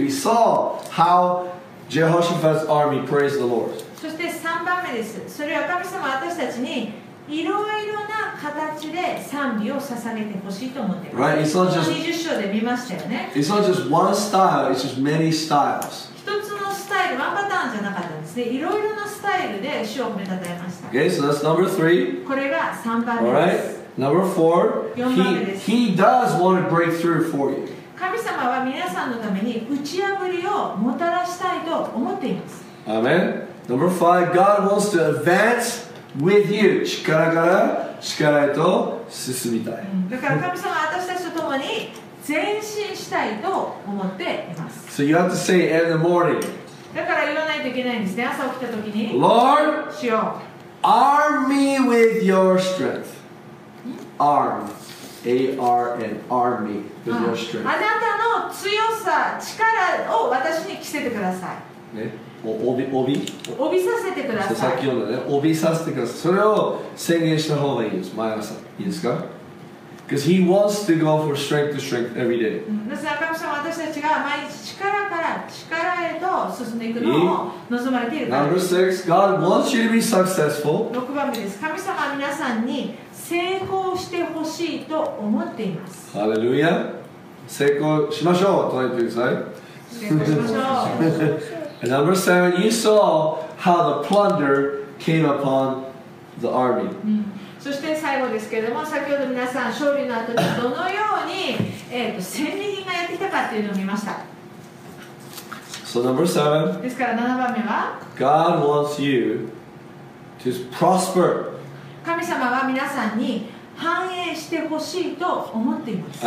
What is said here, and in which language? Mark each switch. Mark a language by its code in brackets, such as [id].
[en] We saw how Jehoshaphat's army praised the Lord. [ja] そして3番目です。それは神様は私たちにいろいろな形で賛美を捧げてほしいと思っています。 [en] Right? It's not just [ja] 20章で見ましたよね。 [en] It's not just one style. It's just many styles. [ja] 一つのスタイル、ワンパターンじゃなかったんですね。いろいろなスタイルで主を褒めたたえました。 [en] Okay, so that's number three. [ja] これが3番目です。 [en] All right? Number four, he does want to break through for you. [ja] 神様は皆さんのために打ち破りをもたらしたいと思っています。 [en] Amen. Number five, God wants to advance with you. [ja] 力から力へと進みたい。だから神様は私たちと共に前進したいと思っています。 [en] So you have to say it in the morning. [ja] だから言わないといけないんですね、朝起きた時に。 [en] Lord, [ja] 主よ、 [en] arm me with your strength. Arm, A-R-M, arm me with your strength. [ja] あなたの強さ、力を私に着せてください。ね、帯帯させてください。さっき読んだね、帯させてください。それを宣言した方がいいです。毎朝、いいですか？ [en] Because he wants to go from strength to strength every day. [ja] 私たちが毎日力から力へと進んでいくのを望まれているから。 [en] Number six, God wants you to be successful. [ja] 6番目です。神様は皆さんに成功してほしいと思っています。ハレルヤ。成功しましょう。捉えてください。成功しましょう。 [en] And number seven, you saw how the plunder came upon the army. [ja] そして最後ですけれども、先ほど皆さん勝利の後にどのように戦利品がやってきたかというのを見ました。 [en] So number seven, [ja] ですから7番目は [en] God wants you to prosper. [ja] 神様は皆さんに繁栄してほしいと思っています。